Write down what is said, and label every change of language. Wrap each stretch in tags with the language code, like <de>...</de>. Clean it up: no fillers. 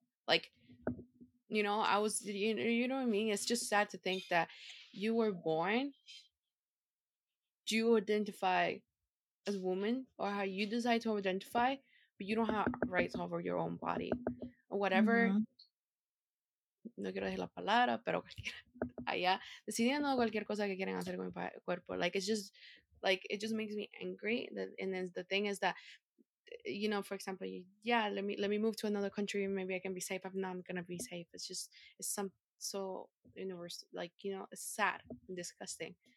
<en>Like, you know, I was, you know what I mean? It's just sad to think that you were born, you identify as a woman, or how you decide to identify, but you don't have rights over your own body. Or whatever.</en> <es>No quiero decir la palabra, pero cualquiera. Allá, decidiendo cualquier cosa que quieren hacer con mi cuerpo.</es> <en>Like, it's just, like, it just makes me angry. And then the thing is that, you know, for example, let me move to another country. Maybe I can be safe. If not, I'm going to be safe. It's just, it's some so universal, like, you know, it's sad and disgusting.</en>